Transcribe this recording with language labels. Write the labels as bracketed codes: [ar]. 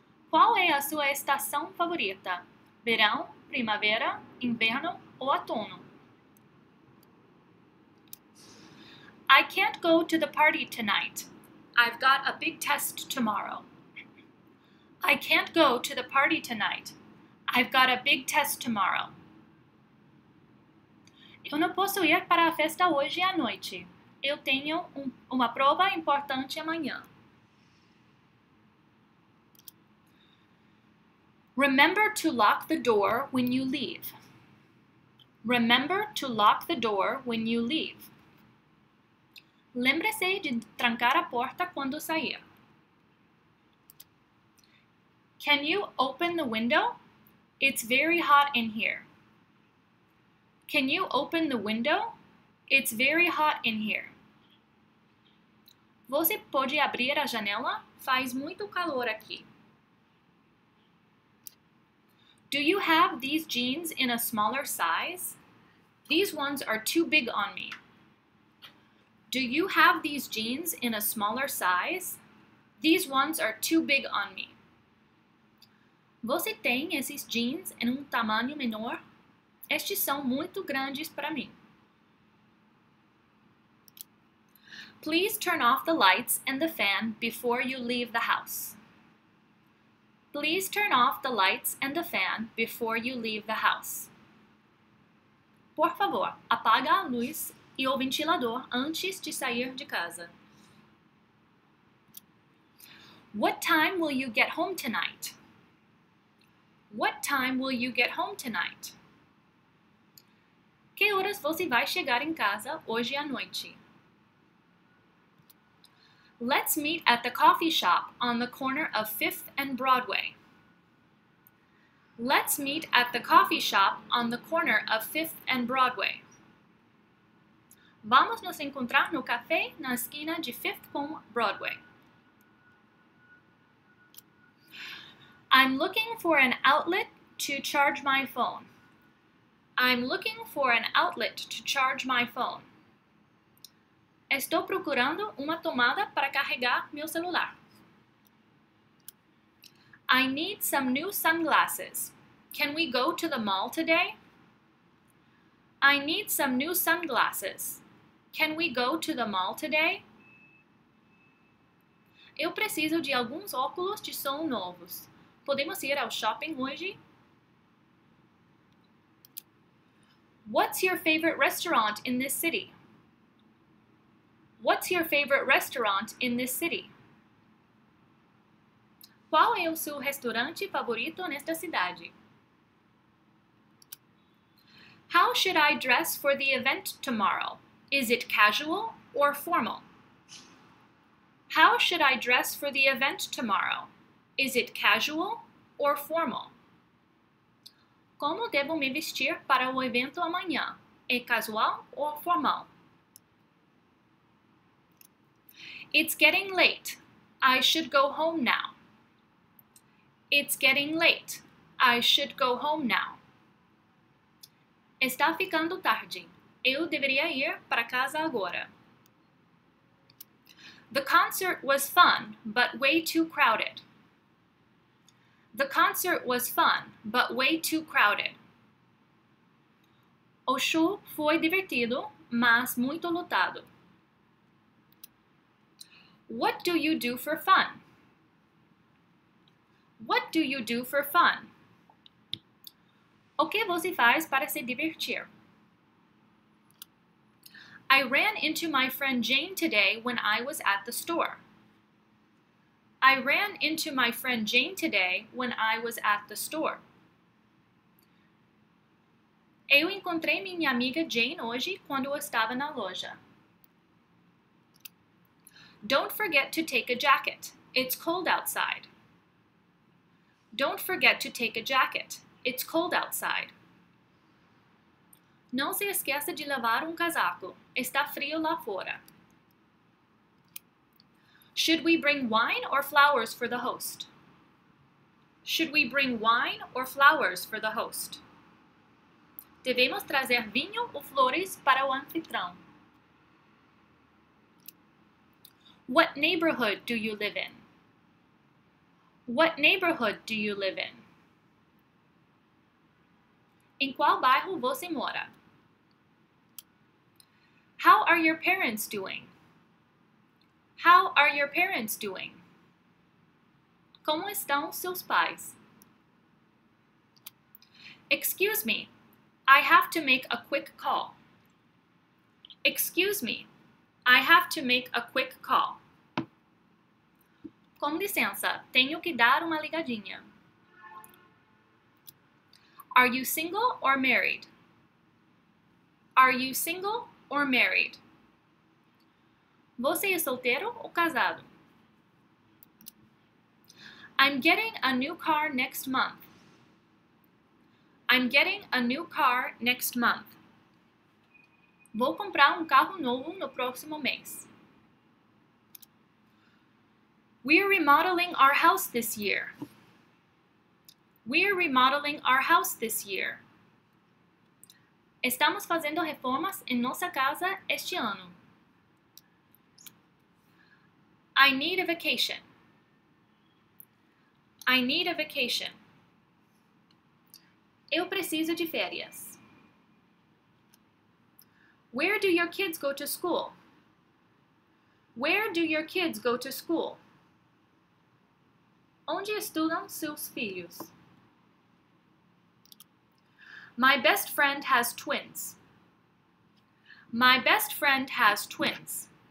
[pt] Qual é a sua estação favorita? Verão, primavera, inverno, ou outono? [en] I can't go to the party tonight. I've got a big test tomorrow. I can't go to the party tonight. I've got a big test tomorrow. [pt] Eu não posso ir para a festa hoje à noite. Eu tenho uma prova importante amanhã. [en] Remember to lock the door when you leave. Remember to lock the door when you leave. [pt] Lembre-se de trancar a porta quando sair. [en] Can you open the window? It's very hot in here. Can you open the window? It's very hot in here. [pt] Você pode abrir a janela? Faz muito calor aqui. [en] Do you have these jeans in a smaller size? These ones are too big on me. Do you have these jeans in a smaller size? These ones are too big on me. [pt] Você tem esses jeans em um tamanho menor? Estes são muito grandes para mim. [en] Please turn off the lights and the fan before you leave the house. Please turn off the lights and the fan before you leave the house. [pt] Por favor, apaga a luz e o ventilador antes de sair de casa. [en] What time will you get home tonight? What time will you get home tonight? [pt] Que horas você vai chegar em casa hoje à noite? [en] Let's meet at the coffee shop on the corner of 5th and Broadway. Let's meet at the coffee shop on the corner of 5th and Broadway. [pt] Vamos nos encontrar no café na esquina de 5th com Broadway. [en] I'm looking for an outlet to charge my phone. I'm looking for an outlet to charge my phone. [pt] Estou procurando uma tomada para carregar meu celular. [en] I need some new sunglasses. Can we go to the mall today? I need some new sunglasses. Can we go to the mall today? [pt] Eu preciso de alguns óculos de sol novos. Podemos ir ao shopping hoje? [en] What's your favorite restaurant in this city? What's your favorite restaurant in this city? [pt] Qual é o seu restaurante favorito nesta cidade? [en] How should I dress for the event tomorrow? Is it casual or formal? How should I dress for the event tomorrow? Is it casual or formal? [pt] Como devo me vestir para o evento amanhã? É casual ou formal? [en] It's getting late. I should go home now. It's getting late. I should go home now. [pt] Está ficando tarde. Eu deveria ir para casa agora. [en] The concert was fun, but way too crowded. The concert was fun, but way too crowded. [pt] O show foi divertido, mas muito lotado. [en] What do you do for fun? What do you do for fun? [pt] O que você faz para se divertir? [en] I ran into my friend Jane today when I was at the store. I ran into my friend Jane today when I was at the store. [pt] Eu encontrei minha amiga Jane hoje quando estava na loja. [en] Don't forget to take a jacket. It's cold outside. Don't forget to take a jacket. It's cold outside. [pt] Não se esqueça de levar casaco. Está frio lá fora. [en] Should we bring wine or flowers for the host? Should we bring wine or flowers for the host? [pt] Devemos trazer vinho ou flores para o anfitrião. [en] What neighborhood do you live in? What neighborhood do you live in? [pt] Em qual bairro você mora? [en] How are your parents doing? How are your parents doing? [pt] Como estão seus pais? [en] Excuse me, I have to make a quick call. Excuse me, I have to make a quick call. [pt] Com licença, tenho que dar uma ligadinha. [en] Are you single or married? Are you single or married? [pt] Você é solteiro ou casado? [en] I'm getting a new car next month. I'm getting a new car next month. [pt] Vou comprar carro novo no próximo mês. [en] We're remodeling our house this year. We're remodeling our house this year. [pt] Estamos fazendo reformas em nossa casa este ano. [en] I need a vacation. I need a vacation. [pt] Eu preciso de férias. [en] Where do your kids go to school? Where do your kids go to school? [pt] Onde estudam seus filhos? [en] My best friend has twins. My best friend has twins.